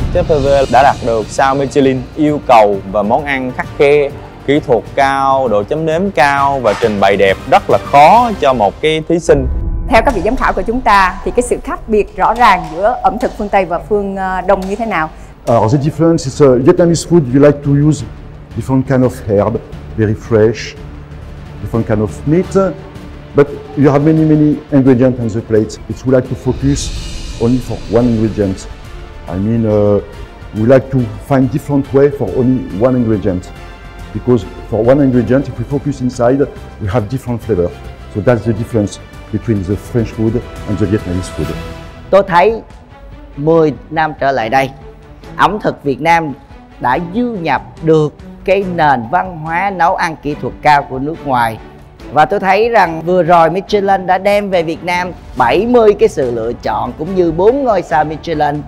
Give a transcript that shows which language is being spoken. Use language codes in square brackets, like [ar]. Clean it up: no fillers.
[vi] Sếp Hervé đã đạt được sao Michelin, yêu cầu và món ăn khắt khe, kỹ thuật cao, độ chấm nếm cao và trình bày đẹp rất là khó cho một cái thí sinh. Theo các vị giám khảo của chúng ta thì cái sự khác biệt rõ ràng giữa ẩm thực phương Tây và phương Đông như thế nào? [en] The difference is Vietnamese food you like to use different kind of herb, very fresh, different kind of meat, but you have many many ingredients on the plate. It's we like to focus only for one ingredient. I mean we like to find different way for only one ingredient. Because for one ingredient, if we focus inside, we have different flavor. So that's the difference between the French food and the Vietnamese food. [vi] Tôi thấy 10 năm trở lại đây, ẩm thực Việt Nam đã du nhập được cái nền văn hóa nấu ăn kỹ thuật cao của nước ngoài. Và tôi thấy rằng vừa rồi Michelin đã đem về Việt Nam 70 cái sự lựa chọn cũng như 4 ngôi sao Michelin.